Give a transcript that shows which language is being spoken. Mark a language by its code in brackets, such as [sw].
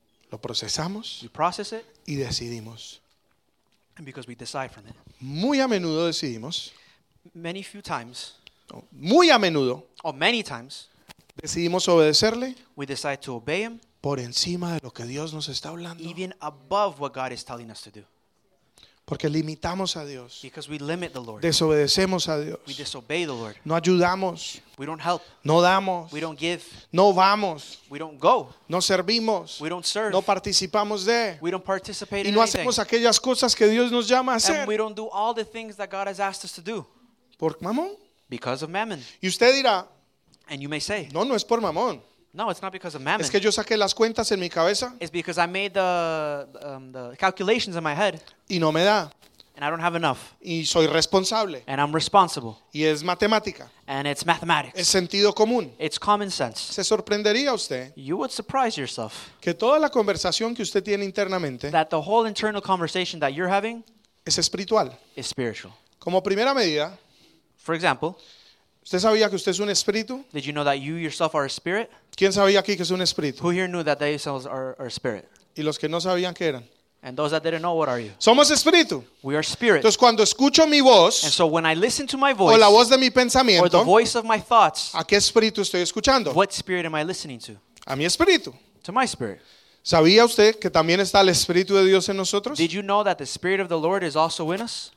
[es] Lo procesamos. [en] We process it. [es] Y decidimos. [en] And because we decide from it. [es] Muy a menudo decidimos. [en] Many few times. [es] No, muy a menudo. [en] Or many times. [es] Decidimos obedecerle. [en] We decide to obey him. [es] Por encima de lo que Dios nos está hablando. [en] Even above what God is telling us to do. [es] Porque limitamos a Dios. [en] Because we limit the Lord. [es] Desobedecemos a Dios. [en] We disobey the Lord. [es] No ayudamos. [en] We don't help. [es] No damos. [en] We don't give. [es] No vamos. [en] We don't go. [es] No servimos. [en] We don't serve. [es] No participamos de. [en] We don't participate [es] y [en] in [es] no [en] anything. [es] Hacemos aquellas cosas que Dios nos llama a hacer. [en] And we don't do all the things that God has asked us to do. [es] ¿Por mamón? [en] Because of mammon. [es] Y usted dirá, [en] and you may say, [es] no, no es por mamón. [en] No, it's not because of mammon. [es] Es que yo saqué las cuentas en mi cabeza. [en] It's because I made the calculations in my head. [es] Y no me da. [en] And I don't have enough. [es] Y soy responsable. [en] And I'm responsible. [es] Y es matemática. [en] And it's mathematics. [es] Es sentido común. [en] It's common sense. [es] Se sorprendería usted. [en] You would surprise yourself. [es] Que toda la conversación que usted tiene internamente. [en] That the whole internal conversation that you're having. [es] Es espiritual. [en] Is spiritual. [es] Como primera medida. [en] For example. [es] ¿Usted sabía que usted es un espíritu? [en] Did you know that you yourself are a spirit? [es] ¿Quién sabía aquí que es un espíritu? [en] Who here knew that they themselves are a spirit? [es] ¿Y los que no sabían qué eran? [en] And those that didn't know, what are you? [es] Somos espíritu. [en] We are spirit. [es] Entonces, cuando escucho mi voz, [en] and so when I listen to my voice, [es] o la voz de mi pensamiento, [en] or the voice of my thoughts, [es] ¿a qué espíritu estoy escuchando? [en] What spirit am I listening to? [es] A mi espíritu. [en] To my spirit. [es] ¿Sabía usted que también está el Espíritu de Dios en nosotros? [en] Did you know that the Spirit of the Lord is also in us?